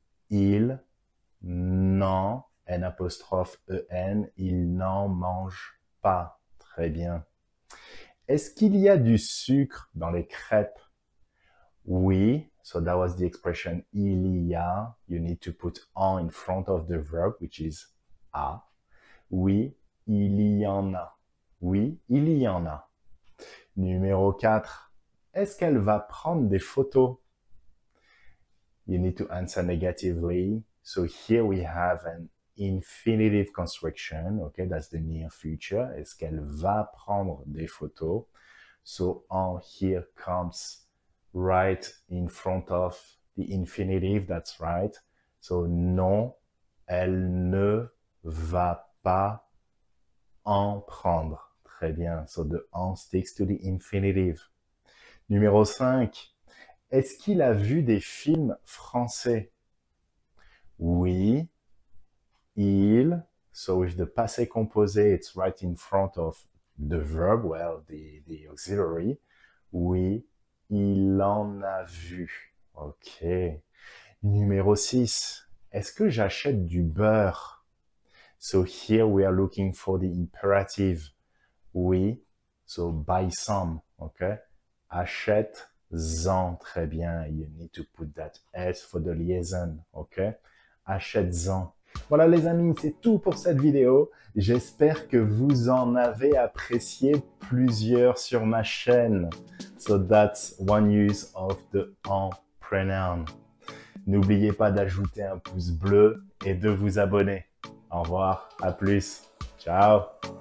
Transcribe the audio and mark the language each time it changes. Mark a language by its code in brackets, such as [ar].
[fr] Il n'en, N apostrophe en, il n'en mange pas. Très bien. Est-ce qu'il y a du sucre dans les crêpes? Oui. [en] So that was the expression il y a. You need to put en in front of the verb, which is a. [fr] Oui, il y en a. Oui, il y en a. Numéro 4. Est-ce qu'elle va prendre des photos? [en] You need to answer negatively. So here we have an infinitive construction. Okay, that's the near future. [fr] Est-ce qu'elle va prendre des photos? [en] So en here comes right in front of the infinitive. That's right. [fr] So non, elle ne va pas en prendre. Très bien. [en] So the en sticks to the infinitive. [fr] Numéro 5. Est-ce qu'il a vu des films français? Oui. Il. [en] So with the passé composé, it's right in front of the verb, well, the auxiliary. [fr] Oui. Il en a vu. OK. Numéro 6. Est-ce que j'achète du beurre? [en] So here we are looking for the imperative. Oui. So buy some. OK. [fr] Achète. Zan, très bien. [en] You need to put that S for the liaison, ok? [fr] Achète-en. Voilà les amis, c'est tout pour cette vidéo. J'espère que vous en avez apprécié plusieurs sur ma chaîne. [en] So that's one use of the en pronoun. [fr] N'oubliez pas d'ajouter un pouce bleu et de vous abonner. Au revoir, à plus. Ciao!